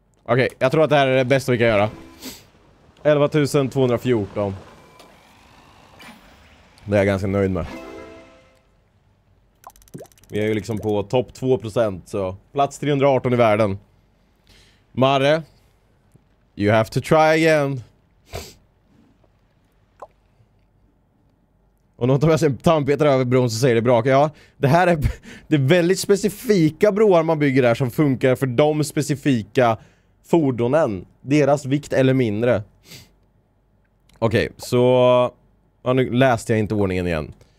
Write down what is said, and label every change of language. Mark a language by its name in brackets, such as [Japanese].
[Swedish] Okej, okay, jag tror att det här är det bästa vi kan göra. 11214. Det är jag ganska nöjd med. Vi är ju liksom på topp 2%, så plats 318 i världen. [English] Marre, you have to try again. [Swedish] Och något av jag ser en tandpetare över bron så säger det bra. Ja, det här är det väldigt specifika broar man bygger där som funkar för de specifika fordonen, deras vikt eller mindre. Okej, okay, så... Ja, nu läste jag inte ordningen igen.